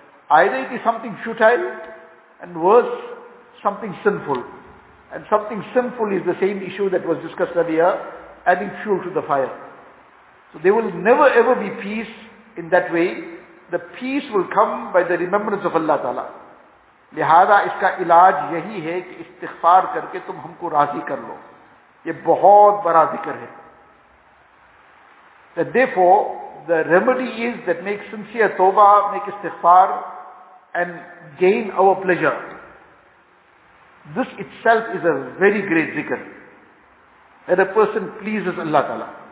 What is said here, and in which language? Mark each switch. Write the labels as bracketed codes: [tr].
[en] Either it is something futile, and worse, something sinful. And something sinful is the same issue that was discussed earlier, adding fuel to the fire. So there will never ever be peace in that way. The peace will come by the remembrance of Allah Ta'ala. [ur] لہذا اس کا علاج یہی ہے کہ استغفار کر کے تم ہم کو راضی کر لو. یہ بہت بڑا ذکر ہے. [en] That therefore, the remedy is that make sincere tawbah, make istighfar, and gain our pleasure. This itself is a very great zikr. That a person pleases Allah Ta'ala.